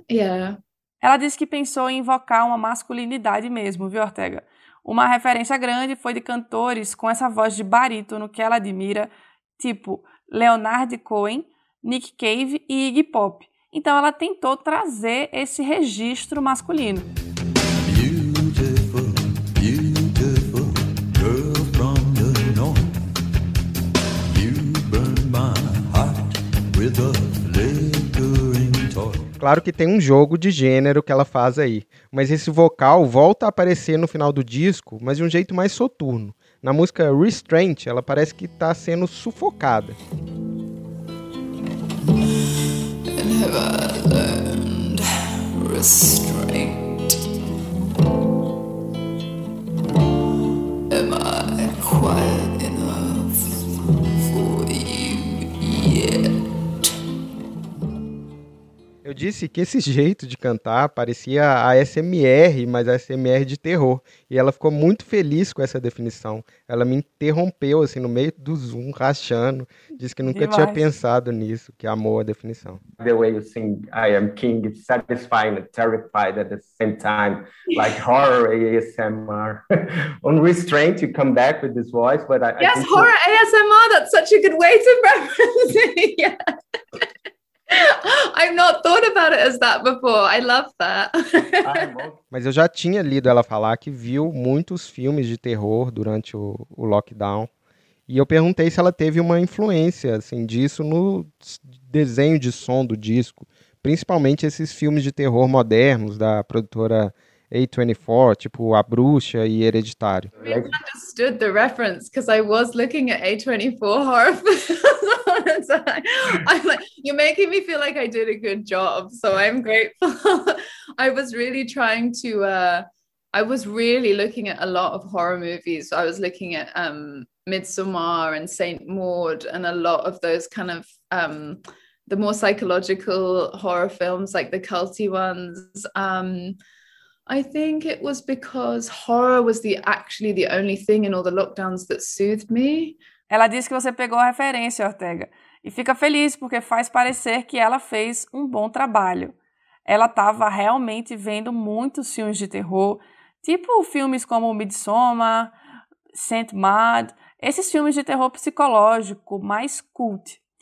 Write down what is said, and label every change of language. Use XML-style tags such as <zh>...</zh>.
<en>Yeah.</en> <pt>Ela disse que pensou em invocar uma masculinidade mesmo, viu, Ortega? Uma referência grande foi de cantores com essa voz de barítono que ela admira, tipo Leonard Cohen, Nick Cave e Iggy Pop. Então ela tentou trazer esse registro masculino.</pt> <en>Beautiful, beautiful girl from the north. You burn my heart with a flickering torch.</en> <pt>Claro que tem um jogo de gênero que ela faz aí, mas esse vocal volta a aparecer no final do disco, mas de um jeito mais soturno. Na música Restraint, ela parece que está sendo sufocada. Eu disse que esse jeito de cantar parecia ASMR, mas ASMR de terror. E ela ficou muito feliz com essa definição. Ela me interrompeu assim no meio do Zoom, rachando. Disse que nunca tinha pensado nisso, que amou a definição.</pt> <en>The way you sing I am King is satisfying and terrified at the same time. Like horror ASMR. On Restraint, you come back with this voice. But I yes, horror so... ASMR, that's such a good way to reference it. Yeah. I've not thought about it as that before. I love that.</en> <pt>Mas eu já tinha lido ela falar que viu muitos filmes de terror durante o lockdown. E eu perguntei se ela teve uma influência assim, disso no desenho de som do disco. Principalmente esses filmes de terror modernos da produtora A24, tipo A Bruxa e Hereditário.</pt> <en>I understood the reference because I was looking at A24 horror films all the time. I'm like, you're making me feel like I did a good job, so I'm grateful. I was really trying to, I was really looking at a lot of horror movies. I was looking at Midsommar and Saint Maud and a lot of those kind of the more psychological horror films, like the culty ones. I think it was because horror was the only thing in all the lockdowns that soothed me.</en> <pt>Ela disse que você pegou a referência, Ortega, e fica feliz porque faz parecer que ela fez um bom trabalho. Ela estava realmente vendo muitos filmes de terror, tipo filmes como Midsommar, Saint Maud, esses filmes de terror psicológico, mais cult.</pt>